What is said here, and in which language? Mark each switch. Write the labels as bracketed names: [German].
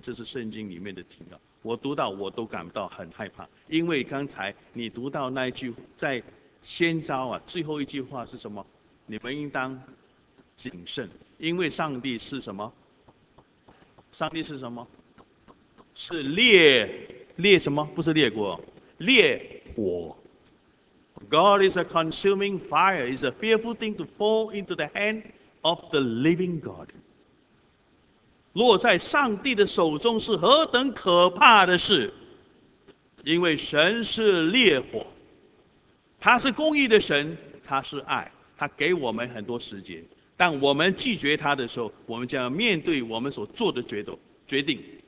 [Chinese] 这是圣经里面的提到，我读到我都感到很害怕，因为刚才你读到那一句在先招啊，最后一句话是什么？你们应当谨慎，因为上帝是什么？上帝是什么？是烈什么？不是烈火，烈火。 [English] God is a consuming fire. It's a fearful thing to fall into the hand of the living God. [Chinese] 落在上帝的手中是何等可怕的事！因为神是烈火，他是公义的神，他是爱，他给我们很多时间。当我们拒绝他的时候，我们将要面对我们所做的决定。